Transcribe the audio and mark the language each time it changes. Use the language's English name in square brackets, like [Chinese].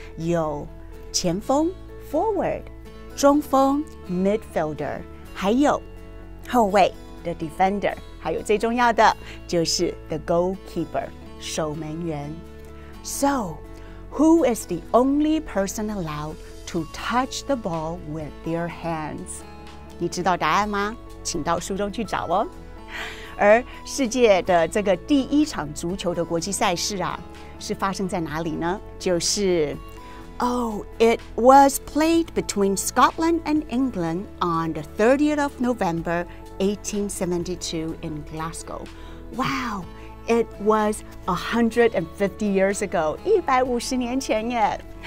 [Chinese] 有前锋 forward， 中锋 midfielder， 还有后卫 the defender， 还有最重要的就是 the goalkeeper， 守门员。 [English] SoWho is the only person allowed to touch the ball with their hands? [Chinese] 你知道答案吗？请到书中去找哦。而世界的这个第一场足球的国际赛事啊，是发生在哪里呢？ [English] 就是 ，Oh, it was played between Scotland and England on the 30th of November, 1872, in Glasgow. Wow. It was 150 years ago, [Chinese] 150年前耶。